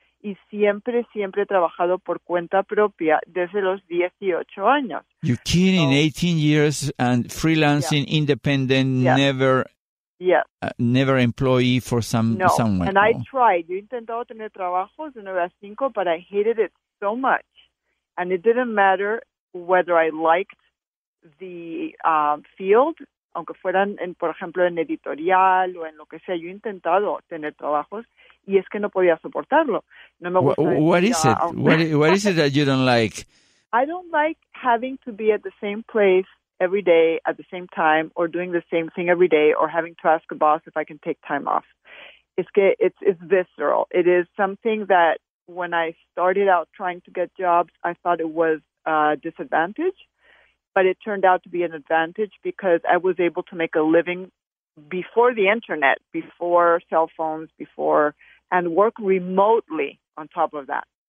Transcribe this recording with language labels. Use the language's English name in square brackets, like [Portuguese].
[Spanish] Y siempre he trabajado por cuenta propia desde los 18 años. [English] You're kidding, so, 18 years and freelancing, independent, never... Yes. Never employee for someone. And I tried. [Spanish] Yo he intentado tener trabajos de 9 a 5, [English] but I hated it so much. And it didn't matter whether I liked the field [Spanish] aunque fueran, en, por ejemplo, en editorial o en lo que sea. Yo he intentado tener trabajos y es que no podía soportarlo. No me gusta. [English] What is it that you don't like? I don't like having to be at the same place every day at the same time or doing the same thing every day or having to ask a boss if I can take time off. [Spanish] Es que [English] it's visceral. It is something that when I started out trying to get jobs, I thought it was a disadvantage, but it turned out to be an advantage because I was able to make a living before the internet, before cell phones, before, and work remotely on top of that.